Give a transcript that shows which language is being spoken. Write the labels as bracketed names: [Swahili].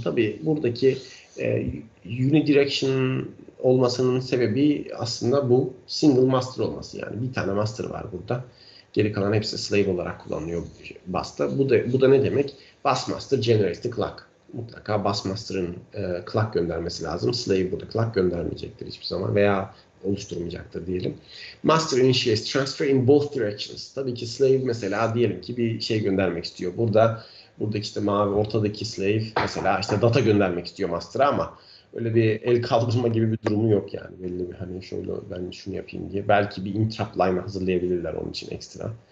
[Turkish] Tabii buradaki unidirection olmasının sebebi aslında bu Single Master olması. Yani bir tane Master var burada. Geri kalan hepsi Slave olarak kullanılıyor Bus'ta. Bu da ne demek? [English] Bus Master Generates the Clock. [Turkish] Mutlaka Bus Master'ın clock göndermesi lazım. Slave burada clock göndermeyecektir hiçbir zaman veya oluşturmayacaktır diyelim. [English] Master initiates transfer in both directions. [Turkish] Tabii ki slave mesela diyelim ki bir şey göndermek istiyor. Buradaki işte mavi ortadaki slave mesela işte data göndermek istiyor master'a ama öyle bir el kaldırma gibi bir durumu yok yani. Belli bir hani şöyle ben şunu yapayım diye. Belki bir interrupt line hazırlayabilirler onun için ekstra.